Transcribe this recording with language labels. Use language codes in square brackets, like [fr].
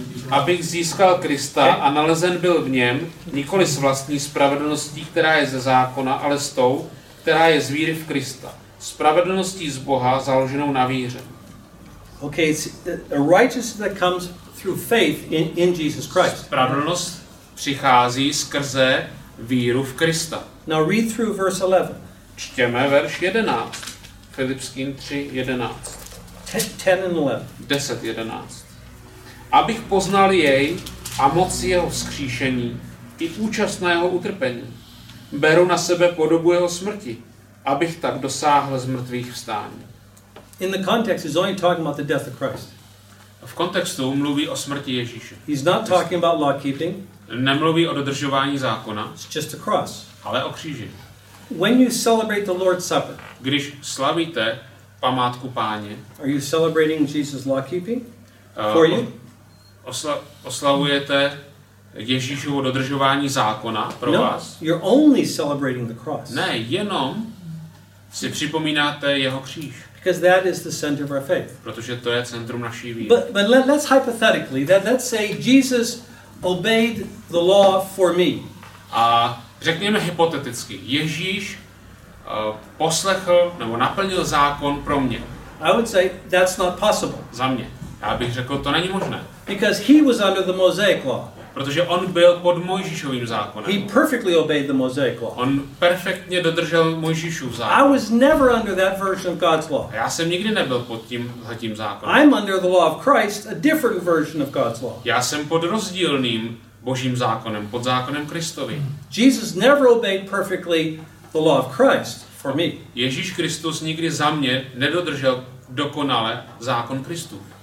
[cs] Abych získal Krista a nalezen byl v něm, nikoli s vlastní spravedlností, která je ze zákona, ale s tou, která je z víry v Krista. Spravedlností z Boha, založenou na víře. [en] Okay, it's a righteousness that comes through faith in Jesus Christ. [cs] Spravedlnost přichází skrze víru v Krista. [en] Now read through verse 11. [cs] Čtěme verš 11. Filipským 3:11. 10:11. Abych poznal jej a moc jeho vzkříšení i účast na jeho utrpení. Beru na sebe podobu jeho smrti, abych tak dosáhl zmrtvých vstání. [en] In the context, he's only talking about the death of Christ. [cs] V kontextu mluví o smrti Ježíše. [en] He's not talking about law keeping. [cs] Nemluví o dodržování zákona. [en] It's just a cross. [cs] Ale o kříži. [en] When you celebrate the Lord's Supper, [cs] když slavíte památku Páně, [en] are you celebrating Jesus' law keeping for you? [cs] Oslavujete Ježíšovo dodržování zákona pro vás? [en] No, you're only celebrating the cross. [cs] Ne, jenom si připomínáte jeho kříž. [en] Because that is the center of our faith. [cs] Protože to je centrum naší víry. [en] But let's hypothetically, let's say Jesus obeyed the law for me. [cs] A řekněme hypoteticky, Ježíš poslechl nebo naplnil zákon pro mě. [en] I would say that's not possible. [cs] Za mě. Já bych řekl, to není možné. [en] Because he was under the Mosaic law. [cs] Protože on byl pod Mojžíšovým zákonem. [en] He perfectly obeyed the Mosaic law. [cs] On perfektně dodržel Mojžíšův zákon. [en] I was never under that version of God's law. [cs] Já jsem nikdy nebyl pod tímhletím zákonem. [en] I'm under the law of Christ, a different version of God's law. [cs] Já jsem pod rozdílným Božím zákonem, pod zákonem Kristovým. [en] Jesus never obeyed perfectly the law of Christ for me. [cs] Ježíš Kristus nikdy za mě nedodržel dokonale zákon Kristův.